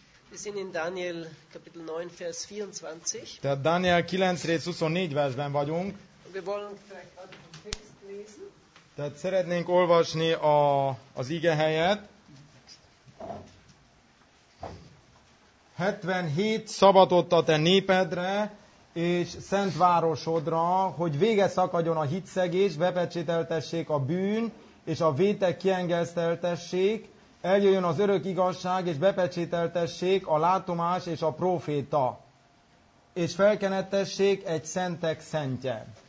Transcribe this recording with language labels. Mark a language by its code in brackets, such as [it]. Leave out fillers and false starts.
[de] Wir sind in Daniel Kapitel 9 Vers 24. [hu] Tehát Daniel 9 rész 24 versben vagyunk. [de] Wir wollen vielleicht auch den Text lesen. [hu] Tehát szeretnénk olvasni az ige helyet. 77 szabadott a te népedre és szent városodra, hogy vége szakadjon a hitszegés, bepecsételtessék a bűn, és a vétek kiengeszteltessék, eljöjjön az örök igazság, és bepecsételtessék a látomás és a proféta, és felkenettessék egy szentek szentje.